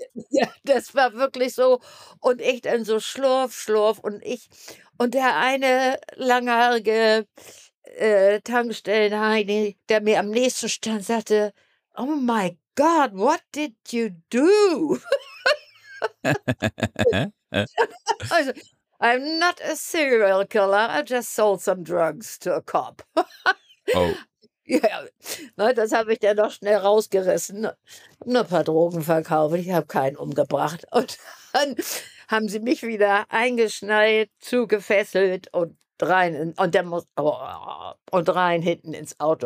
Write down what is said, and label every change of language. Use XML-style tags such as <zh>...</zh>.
<de>Ja, das war wirklich so. Und ich dann so schlurf und ich. Und der eine langhaarige Tankstellen-Heini, der mir am nächsten stand, sagte,</de> <en>oh my God, what did you do? Also, I'm not a serial killer, I just sold some drugs to a cop. Oh.</en> <de>Ja, das habe ich dann noch schnell rausgerissen. Nur ein paar Drogen verkauft, ich habe keinen umgebracht. Und dann haben sie mich wieder eingeschnallt, zugefesselt und rein hinten ins Auto.</de>